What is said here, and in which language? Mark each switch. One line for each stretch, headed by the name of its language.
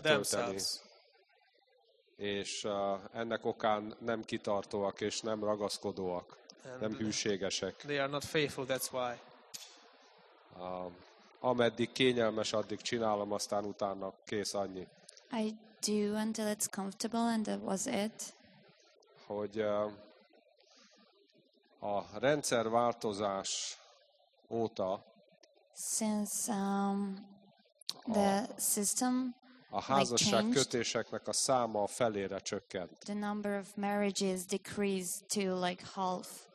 English: Themselves.
Hungarian: És ennek okán nem kitartóak és nem ragaszkodóak,
English: and
Hungarian: nem hűségesek.
English: They are not faithful, that's why.
Hungarian: Ameddig kényelmes, addig csinálom, aztán utána kész, annyi.
English: I do until it's comfortable, and that was it.
Hungarian: Hogy a rendszerváltozás óta.
English: Since the system.
Hungarian: A házasság kötéseknek a száma a felére csökkent.
English: The number of marriages decreased to like half.